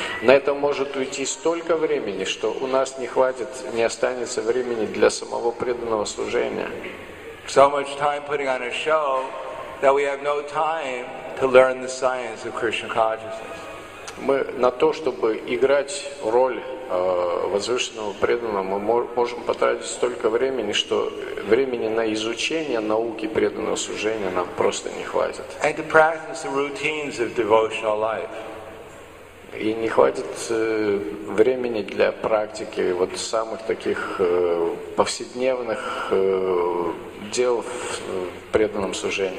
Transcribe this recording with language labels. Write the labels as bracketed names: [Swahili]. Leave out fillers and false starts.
[Russian] На это может уйти столько времени, что у нас не хватит, не останется времени для самого преданного служения. [English] So much time putting on a show that we have no time to learn the science of Krishna consciousness. [Russian] Мы на то, чтобы играть роль возвышенного преданного, мы можем потратить столько времени, что времени на изучение науки преданного служения нам просто не хватит. [English] And to practice the routines of devotional life. [Russian] И не хватит времени для практики вот самых таких повседневных дел в преданном служении.